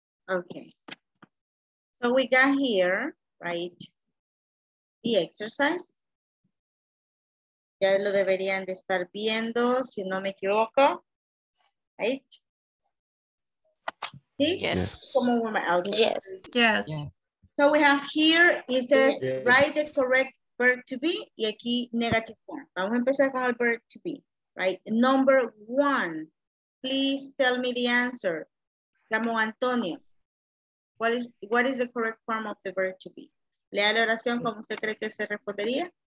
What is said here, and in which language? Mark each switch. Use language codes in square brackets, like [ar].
[en] Okay, so we got here, right, the exercise. [es] Ya lo deberían de estar viendo, si no me equivoco, [en] right? [es] ¿Sí? [en] Yes. Come over my yes. Yes. Yes. So we have here, it says, yes. Write the correct verb to be, [es] y aquí [en] negative form. [es] Vamos a empezar con el [en] verb to be, right? Number one, please tell me the answer. Ramón Antonio. What is the correct form of the verb to be? [es] Lea la oración como usted cree que se respondería.